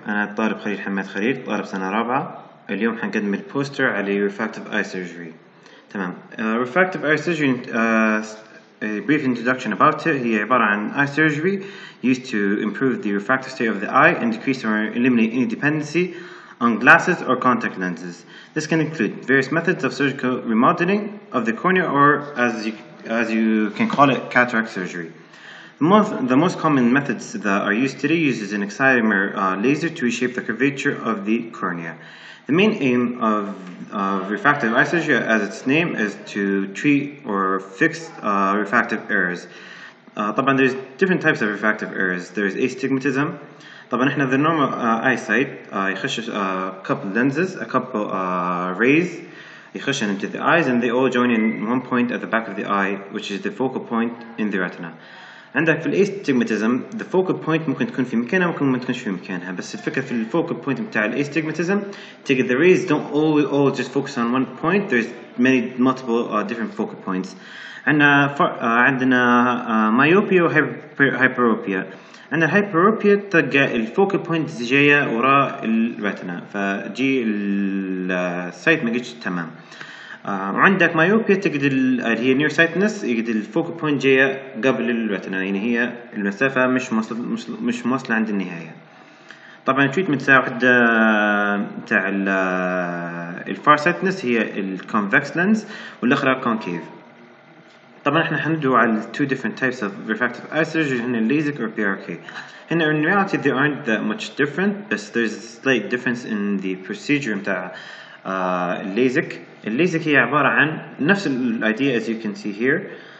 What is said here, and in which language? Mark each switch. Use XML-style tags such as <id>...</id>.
<ar>أنا الطالب خليل حماد خليل، طالب سنة رابعة. اليوم حنقدم البوستر على</ar> <en>refractive eye surgery.</en> <ar>تمام.</ar> <en>Refractive eye surgery. A brief introduction about it.</en> <ar>هي عبارة عن</ar> <en>eye surgery used to improve the refractive state of the eye and decrease or eliminate any dependency on glasses or contact lenses. This can include various methods of surgical remodeling of the cornea, or as you can call it, cataract surgery. The most common methods that are used today uses an excimer laser to reshape the curvature of the cornea. The main aim of refractive eye surgery, as its name, is to treat or fix refractive errors. طبعاً there's different types of refractive errors. There's astigmatism.</en> <ar>طبعاً احنا</ar> <en>the normal eyesight</en> <ar>يخش</ar> <en>a couple lenses, a couple rays. They push into the eyes and they all join in one point at the back of the eye, which is the focal point in the retina. And like for astigmatism, the focal point</en> <ar>ممكن تكون في مكانها ممكن ما تكونش في مكانها. بس الفكرة في</ar> <en>focal point بتاع astigmatism, take the rays don't all just focus on one point. There's many multiple different focal points. And عندنا myopia or hyperopia. And the hyperopia</en> <ar>تلقى الفوكال بوينت جاية وراء الريتنا فجي السايت ما جتش تمام. عندك مايوبيا تجد اللي هي نير سايتنس يجد الفوكال بوينت جاية قبل الريتنا, يعني هي المسافة مش مصل عند النهاية. طبعا التريتمنت واحدة تاع الفار سايتنس هي الكونفكس لينز والاخرى كونكيف. طبعا احنا حندو على</ar> <en>two different types of refractive eye surgery, هنا LASIK or PRK. هنا in reality they aren't that much different, but there's a slight difference in the procedure متاع LASIK. LASIK</en> <ar>هي عبارة عن نفس</ar> <en>idea as you can see here.</en>